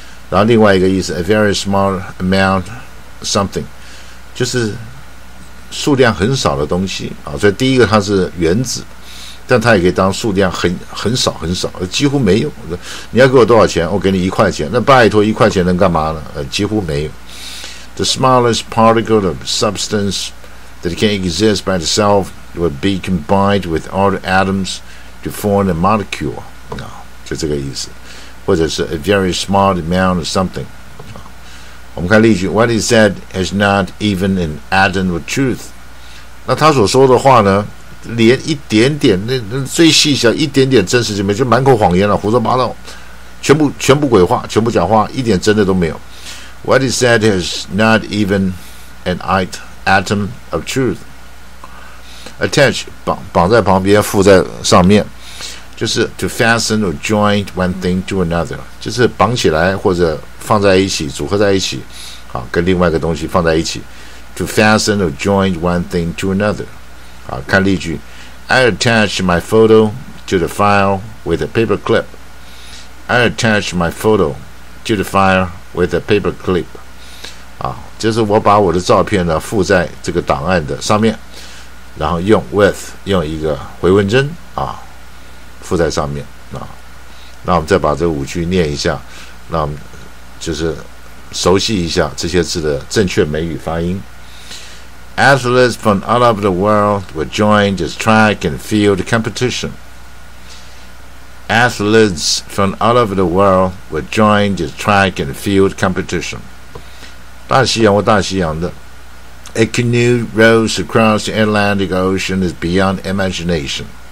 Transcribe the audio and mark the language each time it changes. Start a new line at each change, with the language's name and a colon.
Chinese: 然后另外一个意思
English: a very small amount something
Chinese: 就是数量很少的东西啊。所以第一个它是原子，但它也可以当数量很少很少，几乎没有。你要给我多少钱，我给你一块钱，那拜托一块钱能干嘛呢？几乎没有。
English: The smallest particle of substance that can exist by itself would be combined with other atoms to form a molecule
Chinese: 啊，就这个意思，或者是
English: a very small amount of something。
Chinese: 我们看例句
English: What he said is not even an atom of truth。
Chinese: 那他所说的话呢，连一点点，那最细小一点点真实就没，就满口谎言了，胡说八道，全部鬼话，全部假话，一点真的都没有。
English: What he said is not even an atom of truth。
Chinese: Attach 绑在旁边，附在上面，就是
English: to fasten or join one thing to another，
Chinese: 就是绑起来或者放在一起，组合在一起，好，跟另外一个东西放在一起。
English: To fasten or join one thing to another，
Chinese: 好，看例句。
English: I attach my photo to the file with a paper clip. I attach my photo to the file with a paper clip，
Chinese: 啊，就是我把我的照片呢附在这个档案的上面，然后用一个回纹针啊。附在上面啊，那我们再把这五句念一下，那我们就是熟悉一下这些字的正确美语发音。
English: Athletes from all over the world will join this track and field competition. Athletes from all over the world will join this track and field competition.
Chinese: 大西洋或大西洋的
English: ，A canoe rows across the Atlantic Ocean is beyond imagination.